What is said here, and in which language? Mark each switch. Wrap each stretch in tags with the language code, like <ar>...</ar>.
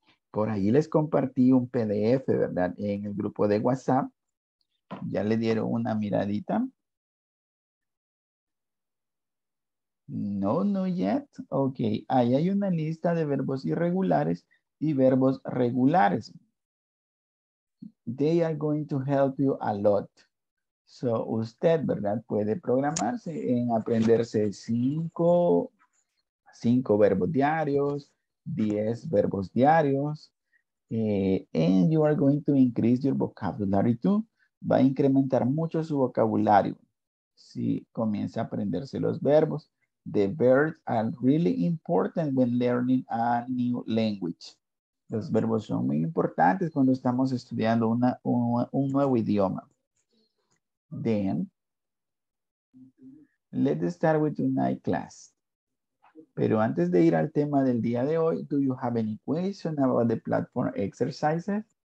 <es>Por ahí les compartí un PDF, ¿verdad? En el grupo de WhatsApp. Ya le dieron una miradita.</es> <en>No yet.</en> <es>Ok, ahí hay una lista de verbos irregulares y verbos regulares.</es> <en>They are going to help you a lot.</en> <es>So, usted, ¿verdad? Puede programarse en aprenderse cinco verbos diarios, 10 verbos diarios.</es> <en>And you are going to increase your vocabulary too.</en> <es>Va a incrementar mucho su vocabulario si comienza a aprenderse los verbos.</es> <en>The verbs are really important when learning a new language.</en> <es>Los verbos son muy importantes cuando estamos estudiando un nuevo idioma.</es> <en>Then, let's start with tonight's class.</en> <es>Pero antes de ir al tema del día de hoy,</es> <en>do you have any question about the platform exercises?</en>